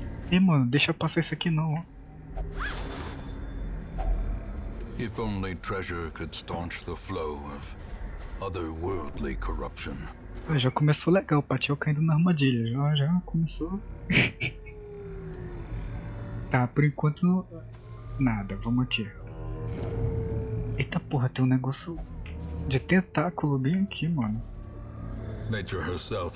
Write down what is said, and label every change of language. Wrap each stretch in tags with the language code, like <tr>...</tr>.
<pt>Ei, mano, deixa eu passar isso aqui não, ó.</pt> <en>If only treasure could staunch the flow of otherworldly corruption.</en> <pt>Já começou legal, Patiel caindo na armadilha. Já começou. Tá, por enquanto nada, vamos aqui. Eita porra, tem um negócio de tentáculo bem aqui, mano.</pt> <en>Nature herself.</en>